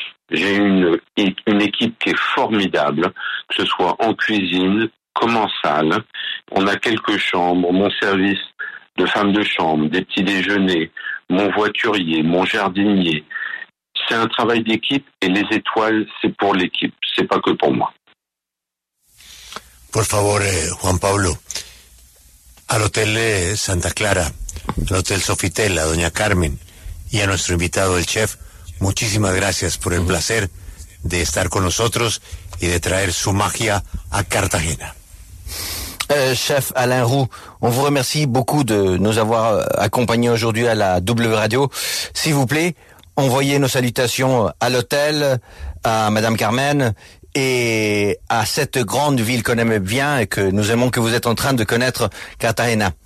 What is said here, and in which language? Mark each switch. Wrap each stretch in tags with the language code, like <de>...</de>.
<fr>J'ai une équipe qui est formidable, que ce soit en cuisine, comme en salle. On a quelques chambres, mon service de femme de chambre, des petits déjeuners, mon voiturier, mon jardinier. C'est un travail d'équipe et les étoiles, c'est pour l'équipe, c'est pas que pour moi.</fr> <es>Por favor, Juan Pablo, al Hotel Santa Clara, al Hotel Sofitel, a doña Carmen y a nuestro invitado, el chef, muchísimas gracias por el placer de estar con nosotros y de traer su magia a Cartagena.</es> <fr>Chef Alain Roux, on vous remercie beaucoup de nous avoir accompagnés aujourd'hui à la W Radio. S'il vous plaît, envoyez nos salutations à l'hôtel, à Madame Carmen et à cette grande ville qu'on aime bien et que nous aimons, que vous êtes en train de connaître, Cartagena.</fr>